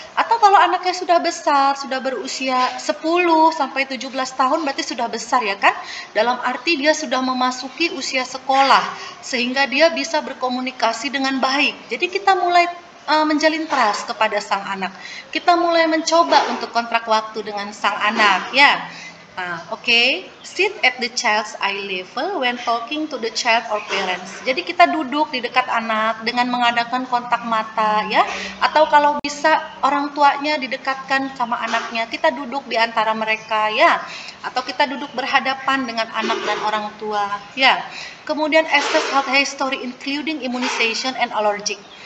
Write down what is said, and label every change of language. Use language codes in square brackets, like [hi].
[id] Atau kalau anaknya sudah besar, sudah berusia 10 sampai 17 tahun, berarti sudah besar ya kan? Dalam arti dia sudah memasuki usia sekolah, sehingga dia bisa berkomunikasi dengan baik. Jadi, kita mulai menjalin trust kepada sang anak. Kita mulai mencoba untuk kontrak waktu dengan sang anak, ya. [en] Okay. Sit at the child's eye level when talking to the child or parents. [id] Jadi kita duduk di dekat anak dengan mengadakan kontak mata, ya. Atau kalau bisa orang tuanya didekatkan sama anaknya, kita duduk di antara mereka, ya. Atau kita duduk berhadapan dengan anak dan orang tua, ya. Kemudian [en] assess health history including immunization and allergic.